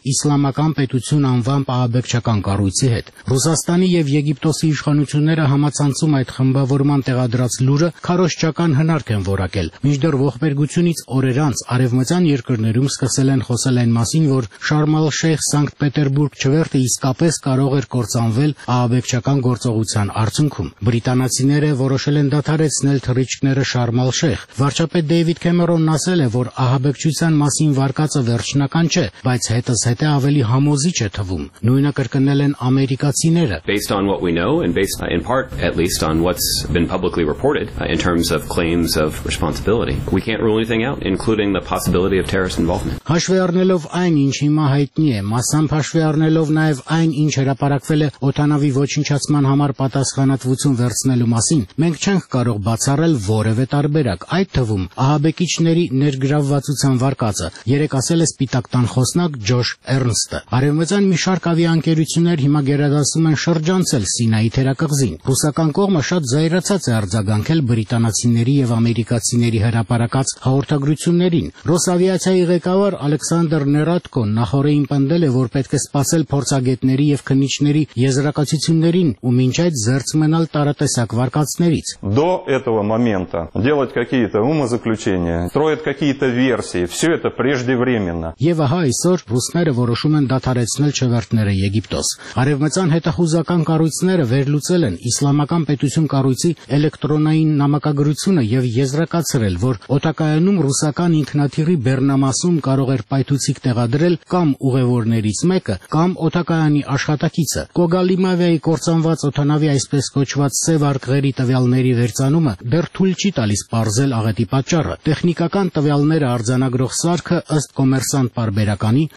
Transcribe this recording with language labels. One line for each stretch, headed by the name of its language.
Armenian: Իսլամական պետություն անվան պահաբեկչական կառույցի հետ։ Ռուսաստանի և Եգիպտոսի իշխանությունները համացանցում այդ խմբավորման տեղադրած լուրը քարոշչական հնարք են որակել։ Մինչդեռ ողբերգությունից օրեր անց արևմտյան երկրներում սկսել են խոսել այն մասին, որ Շարմ ալ-Շեյխ Սանկտ Պետերբուրգ չվերթը իսկապես կարող էր կործանվել պահաբեկչական գործողության արդյունքում։ Բրիտանացիները որոշել են դադարեցնել թռիչքները Շարմ ալ-Շեյխ։ Վարչապետ նախագահ Դեյվիդ Քեմերոնն ասել է, որ ահաբեկչության մասին վարկածը վերջնական չէ, բայց հետս հետե ավելի համոզիչ է թվում։ Նույնը կրկնել են ամերիկացիները.
English: Based on what we know and based in part at least on what's been publicly reported in terms of claims of responsibility, we can't rule anything out including the possibility of terrorist involvement.
Armenian: Հաշվի առնելով այն, ինչ հիմա հայտնի է, մասամբ հաշվի առնելով նաև այն, ինչ հրապարակվել է օտանավի ոչնչացման համար պատասխանատվություն վերցնելու մասին, մենք չենք կարող բացառել որևէ տարբերակ, այդ թվում ահաբեկիչների ներգրավվածության վարկածը, երեկ ասել է Սպիտակ տան խոսնակ Ջոշ Էրնստը։ Արևմտյան մի շարք ավիաընկերություններ հիմա գերադասում են շրջանցել Սինայի թերակղզին։ Ռուսական կողմը շատ զայրացած է արձագանքել բրիտանացիների եւ ամերիկացիների հրապարակած հաղորդագրություններին։ Ռոսավիացիայի ղեկավար Ալեքսանդր Ներատկոն նախորդին պնդել է, որ պետք է սпасել փորձագետների եւ քնիչների եզրակացություններին ու մինչ այդ զերծմենալ տարատեսակ վարկածներից։
Russian: До этого момента делать какие-то умозаключения, строить какие-то версии, всё это преждевременно.
Armenian: Եվ ահա այսօր ռուսները որոշում են դադարեցնել չվերթները Եգիպտոս։ Արևմտյան հետախուզական կառույցները վերլուծել են Իսլամական պետություն կառույցի էլեկտրոնային նամակագրությունը եւ եզրակացրել, որ օտակայանում ռուսական ինքնաթիռի բեռնամասում կարող էր պայթուցիկ տեղադրել կամ ուղևորներից մեկը, կամ օտակայանի աշխատակիցը։ Կոգալիմավիայի կործանված օտանավի այսպես կոչված սև արկղերի տվյալների վերծանումը դեռ թույլ չի տալիս պարզել աղետի պատճառը։ Տեխնիկական տվյալները արձանագրող սարքը ըստ Կոմերսանտ Պարբերականի